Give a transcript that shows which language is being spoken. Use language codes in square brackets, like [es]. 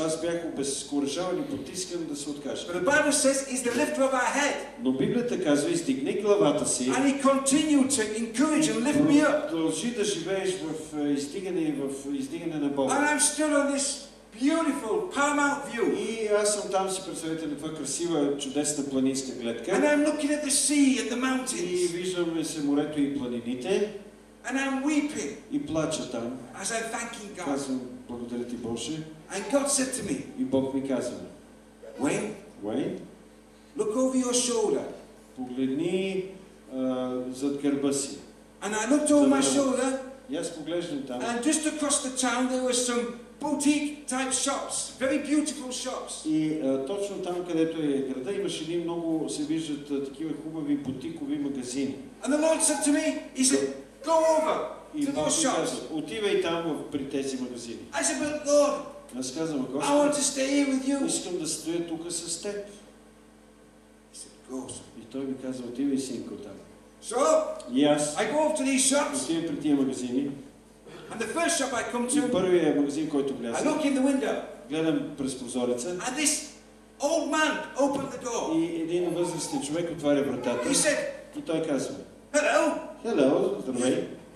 [bg] Аз бях обезкуражаван и потискан да се откажа. [en] But the Bible says is the lift of our head. [bg] Но Библията казва, издигни главата си. [en] And he continued to encourage and lift me up. [bg] Продължи да живееш в издигане и в издигане на Бога. [en] And I'm still on this beautiful paramount view. [bg] И аз съм там, си представете на това красива, чудесна планинска гледка. [en] And I'm looking at the sea and the mountains. [bg] И виждам се морето и планините. [en] And I'm weeping. [bg] И плача там. [en] As I'm thanking God. [bg] Казвам, благодаря ти, Боже. [en] And God said to me. [bg] И Бог ми казва. [en] Wayne. Look over your shoulder. [bg] Погледни зад гърба си. [en] And I looked over my shoulder. [bg] И аз поглеждам там. [en] And just across the town there were some boutique type shops. Very beautiful shops. [bg] И точно там, където е града, имаше един много, се виждат такива хубави бутикови магазини. [en] And the Lord said to me, he said, go over to those shops. [bg] Отивай там при тези магазини. [en] I said, but Lord, [bg] аз казвам, [en] I want to stay here with you. [bg] Искам да стоя тук с теб. [en] He said, go. [bg] И той ми казва, отивай, синко, там. [en] So, yes. I go off to these shops. [bg] Отивам при тези магазини. [en] And the first shop I come to, [bg] първият магазин, който влязам, [en] I look in the window. [bg] Гледам през прозореца. [en] And this old man opened the door. [bg] И един възрастен човек отваря вратата. [en] He said, [bg] и той казва, [en] hello. Hello, [bg] здравей.